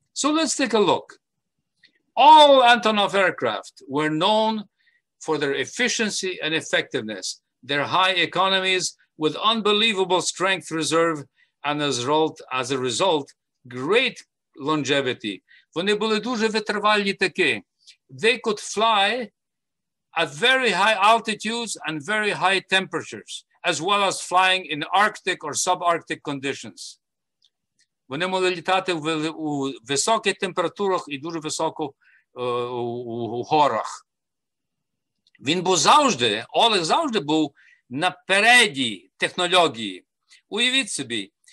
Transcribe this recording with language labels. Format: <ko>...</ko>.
<en>So let's take a look. All Antonov aircraft were known for their efficiency and effectiveness, their high economies with unbelievable strength reserve, and as a result, great longevity.</en> <uk>Вони були дуже витривалі такі.</uk> <en>They could fly at very high altitudes and very high temperatures, as well as flying in Arctic or subarctic conditions.</en> <uk>Вони могли літати у високих температурах і дуже високо у горах. Він був завжди, Олег завжди був на передній технології. Уявіть собі,</uk>